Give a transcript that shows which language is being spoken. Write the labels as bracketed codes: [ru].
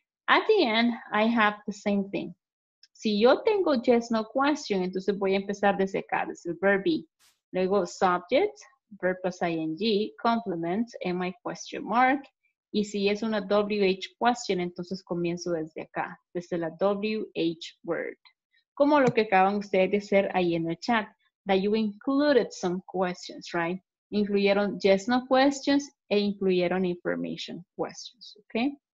[en] At the end, I have the same thing. [es] Si yo tengo yes, no question, entonces voy a empezar desde acá, desde el verb be. [en] Luego subject, verb plus ing, complement, and my question mark. [es] Y si es una WH question, entonces comienzo desde acá, desde la WH word. Como lo que acaban ustedes de hacer ahí en el chat, [en] that you included some questions, right? [es] Incluyeron yes, no questions e incluyeron information questions, ¿ok?